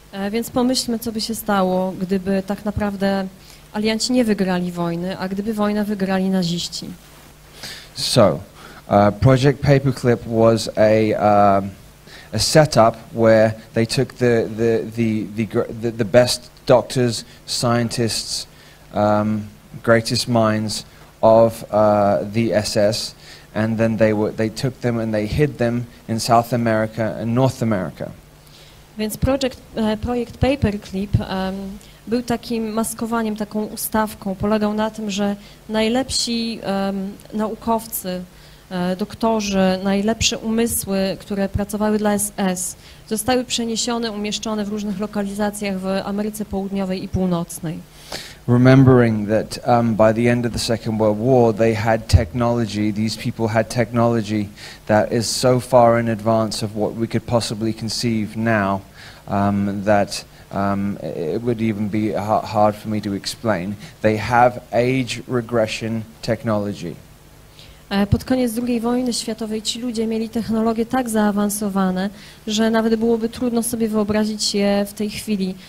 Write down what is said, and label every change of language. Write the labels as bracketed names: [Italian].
[Polish] Więc pomyślmy, co by się stało, gdyby tak naprawdę alianci nie wygrali wojny, a gdyby wojnę wygrali naziści. [English] So Project Paperclip was a setup where they took the best doctors, scientists, greatest minds of the SS, and then they took them and they hid them in South America and North America. [Polish] Więc projekt Paperclip był takim maskowaniem, taką ustawką. Polegał na tym, że najlepsi naukowcy, doktorzy, najlepsze umysły, które pracowały dla SS, zostały przeniesione, umieszczone w różnych lokalizacjach w Ameryce Południowej i Północnej. [English] Remembering that by the end of the Second World War, they had technology, these people had technology that is so far in advance of what we could possibly conceive now, that it would even be hard for me to explain. They have age regression technology. [Polish] Pod koniec II wojny światowej ci ludzie mieli technologie tak zaawansowane, że nawet byłoby trudno sobie wyobrazić je w tej chwili.